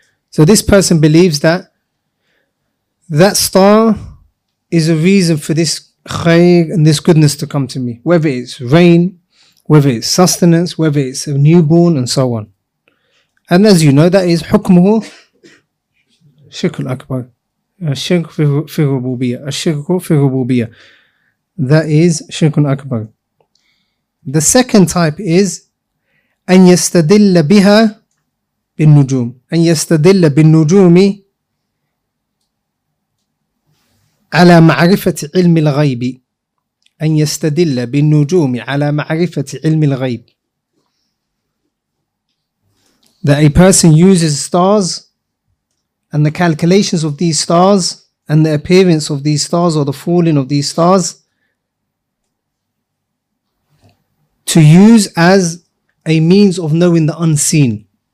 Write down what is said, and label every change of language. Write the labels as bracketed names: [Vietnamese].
[English] So this person believes that that star is a reason for this khair and this goodness to come to me, whether it's rain, whether it's sustenance, whether it's a newborn and so on. And as you know, that is [Arabic] حُكْمُهُ شِرْكُ الْأَكْبَرِ الشِّرْكُ فِي الرُّبُوبِيَّةِ الشِّرْكُ فِي الرُّبُوبِيَّةِ, [English] that is [Arabic] شِرْكُ الْأَكْبَرِ. [English] The second type is [Arabic] أَنْ يَسْتَدِلَّ بِهَا بِالنُّجُومِ أَنْ يَسْتَدِلَّ بِالنُّجُومِ عَلَى مَعْرِفَةِ عِلْمِ الْغَيْبِ أَنْ يَسْتَدِلَّ بِالنُّجُومِ عَلَى مَعْرِفَةِ عِلْمِ الْغَيْبِ. [English] that a person uses stars and the calculations of these stars and the appearance of these stars or the falling of these stars to use as a means of knowing the unseen.